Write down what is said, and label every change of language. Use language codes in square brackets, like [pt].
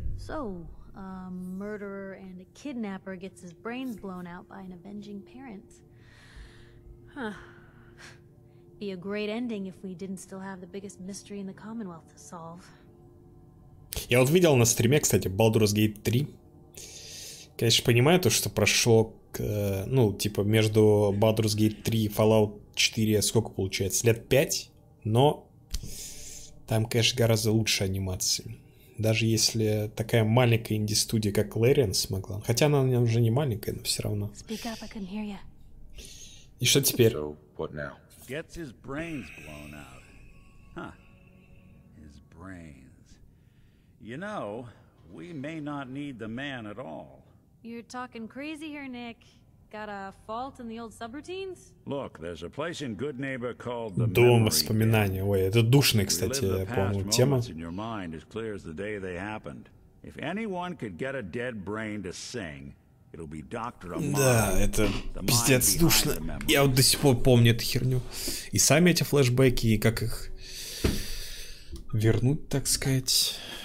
[en] So, a murderer and a kidnapper gets his brains blown out by an avenging parent. Huh. Be a great ending if we didn't still have the biggest mystery in the Commonwealth to solve. [ru] Я вот видел на стриме, кстати, Baldur's Gate 3. Конечно, понимаю то, что прошло, ну, типа, между Baldur's Gate 3 и Fallout 4, сколько получается, лет 5, но там, конечно, гораздо лучше анимации. Даже если такая маленькая инди-студия, как Larian, смогла. Хотя она уже не маленькая, но все равно. [en] Speak up, I can hear you. [ru] И что теперь? [en] So, what now? Gets his brains blown out. Huh. His brains. You know, we may not need the man at all. You're talking crazy here, Nick. Got a fault in the old subroutines? Look, there's a place in Good Neighbor called the [ru] Дом воспоминаний. Ой, это душная, кстати, по-моему, тема. [en] In your mind as clear as the day they happened. If anyone could get a dead brain to sing, it'll be doctor of mine. [ru] Да, это пиздец душно. Я вот до сих пор помню эту херню. И сами эти флешбеки, и как их вернуть, так сказать.